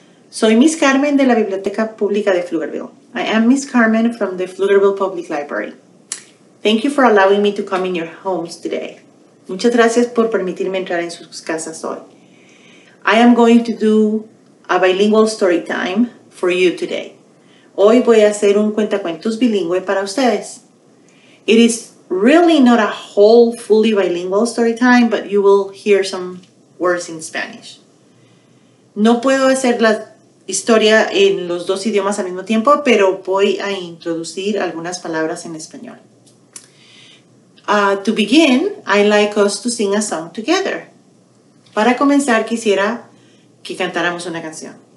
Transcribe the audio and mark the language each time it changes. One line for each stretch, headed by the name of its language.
Spanish: Soy Miss Carmen de la Biblioteca Pública de Pflugerville.
English: I am Miss Carmen from the Pflugerville Public Library. Thank you for allowing me to come in your homes today.
Spanish: Muchas gracias por permitirme entrar en sus casas hoy.
English: I am going to do a bilingual story time for you today.
Spanish: Hoy voy a hacer un cuentacuentos bilingüe para ustedes.
English: It is really not a whole fully bilingual story time, but you will hear some words in Spanish.
Spanish: No puedo hacer la historia en los dos idiomas al mismo tiempo, pero voy a introducir algunas palabras en español.
English: To begin, I'd like us to sing a song together.
Spanish: Para comenzar, quisiera que cantáramos una canción.